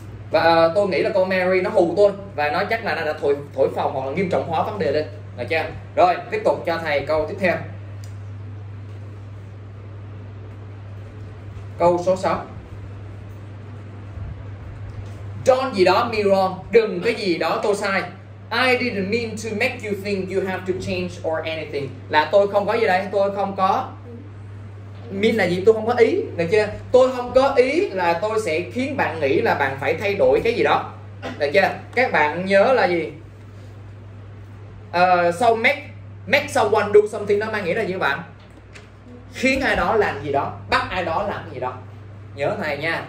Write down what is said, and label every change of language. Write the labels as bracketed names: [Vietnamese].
[Vietnamese] Và tôi nghĩ là con Mary nó hù tôi và nó chắc là nó đã thổi phồng hoặc là nghiêm trọng hóa vấn đề lên. Được chưa? Rồi, tiếp tục cho thầy câu tiếp theo. Câu số 6. [English] Don't [Vietnamese] gì đó [English] me wrong, [Vietnamese] đừng cái gì đó tôi sai. [English] I didn't mean to make you think you have to change or anything. [Vietnamese] Là tôi không có gì đấy, tôi không có mean là gì, tôi không có ý, được chưa? Tôi không có ý là tôi sẽ khiến bạn nghĩ là bạn phải thay đổi cái gì đó. Được chưa? Các bạn nhớ là gì? Sau [English] make someone do something [Vietnamese] nó mang nghĩa là gì các bạn? Khiến ai đó làm gì đó, bắt ai đó làm gì đó. Nhớ thầy nha.